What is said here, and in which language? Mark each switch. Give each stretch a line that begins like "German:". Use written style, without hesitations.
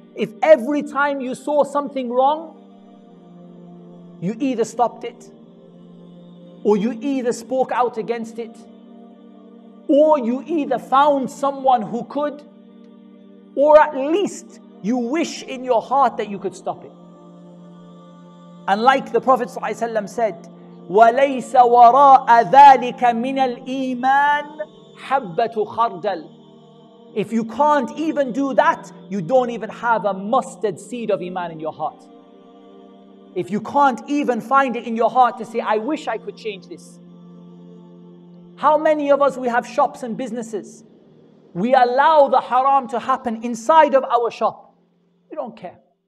English: If every time you saw something wrong, you either stopped it, or you either spoke out against it, or you either found someone who could, or at least you wish in your heart that you could stop it. And like the Prophet ﷺ said,
Arabic: وَلَيْسَ وَرَاءَ ذَٰلِكَ مِنَ الْإِيمَانِ حَبَّةُ خَرْدَلٍ.
English: If you can't even do that, you don't even have a mustard seed of iman in your heart. If you can't even find it in your heart to say, I wish I could change this. How many of us, we have shops and businesses, we allow the haram to happen inside of our shop. We don't care.